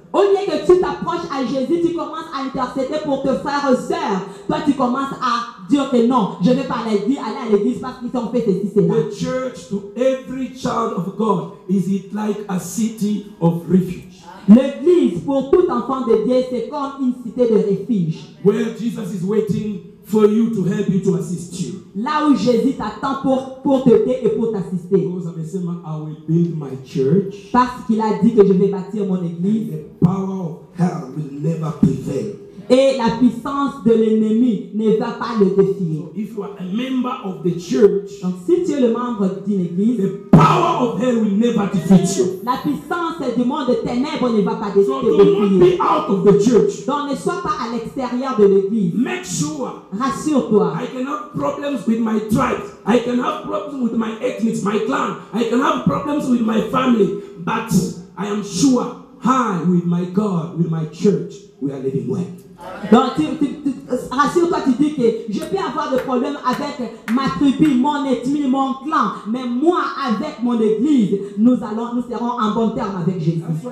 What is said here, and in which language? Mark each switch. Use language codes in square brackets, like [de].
[fr] Au lieu que tu t'approches à Jésus, tu commences à intercéder pour tes frères et sœurs. Toi, tu commences à dire que non, je ne vais pas aller à l'église parce qu'ils ont fait ceci, cela. [en] The church to every child of God is it like a city of refuge. [fr] L'église pour tout enfant de Dieu, c'est comme une cité de refuge. [en] Where Jesus is waiting for you to help you to assist you. [fr] Là où Jésus t'attend pour t'aider et pour t'assister. [en] Because I'm saying I will build my church. [fr] Parce qu'il a dit que je vais bâtir mon église. [en] The power of hell will never prevail. [fr] Et la puissance de l'ennemi ne va pas le défier. [en] So if you are a member of the church, [fr] donc si tu es le membre d'une église, [en] the power of hell will never defeat you. [fr] La puissance du monde des ténèbres ne va pas te défier. [en] So do not be out of the church. [fr] Donc ne sois pas à l'extérieur de l'église. [en] Make sure. [fr] Rassure-toi. [en] I can have problems with my tribe. I can have problems with my ethnic, my clan. I can have problems with my family. But I am sure, I with my God, with my church, we are living well. [fr] Donc, tu, rassure-toi, tu dis que je peux avoir des problèmes avec ma tribu, mon ethnie, mon clan, mais moi, avec mon église, nous serons en bon terme avec Jésus.